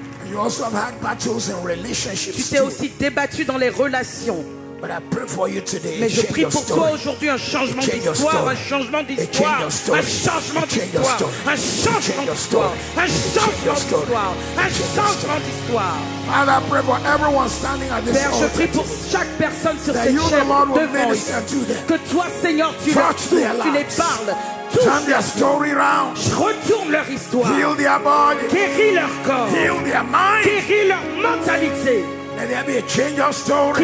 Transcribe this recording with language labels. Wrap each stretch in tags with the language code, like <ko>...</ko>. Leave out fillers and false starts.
<en>You also have had battles in relationships</en> <fr>tu t'es aussi débattu dans les relations.</fr> <en>But I pray for you today.</en> <fr>Mais je prie pour toi aujourd'hui un changement d'histoire, un changement d'histoire, un changement d'histoire, un changement d'histoire, un changement d'histoire, un changement d'histoire.</fr> <en>Father, I pray for everyone standing at this altar.</en> <fr>Père, je prie pour chaque personne sur cette chaise devant toi. Que toi, Seigneur, tu les parles.</fr> <en>Turn their story around.</en> <fr>Retourne leur histoire.</fr> <en>Heal their body.</en> <fr>Guéris leur corps.</fr> <en>Heal their mind.</en> <fr>Guéris leur mentalité.</fr> <en>May there be a change of story.</en>